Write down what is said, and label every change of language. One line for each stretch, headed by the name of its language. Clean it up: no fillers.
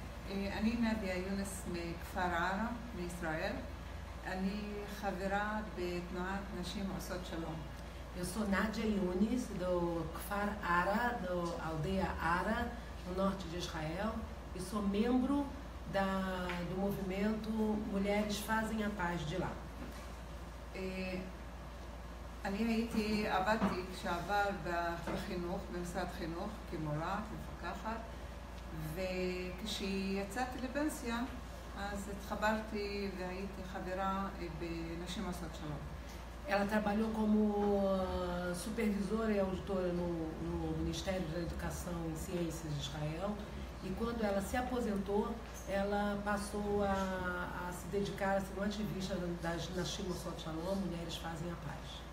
Hebrew: אני נדיה יונס מכפר ערה, מישראל. אני חברה בתנועת נשים עושות שלום.
Portuguese: Eu sou Nadia Yunis, do Kfar Ara, da aldeia Ara, no norte de Israel, e sou membro do movimento Mulheres Fazem a Paz de lá.
Hebrew: אני הייתי, עבדתי כשעבר בחינוך, במשרד חינוך, כמורה, מפקחת, וכשיצאתי לפנסיה, אז התחברתי והייתי חברה בנשים עושות שלום.
Portuguese: Ela trabalhou como supervisora e auditora no Ministério da Educação e Ciências de Israel. E quando ela se aposentou, ela passou a se dedicar a ser uma ativista das Nashim Osot Shalom, Mulheres Fazem a Paz.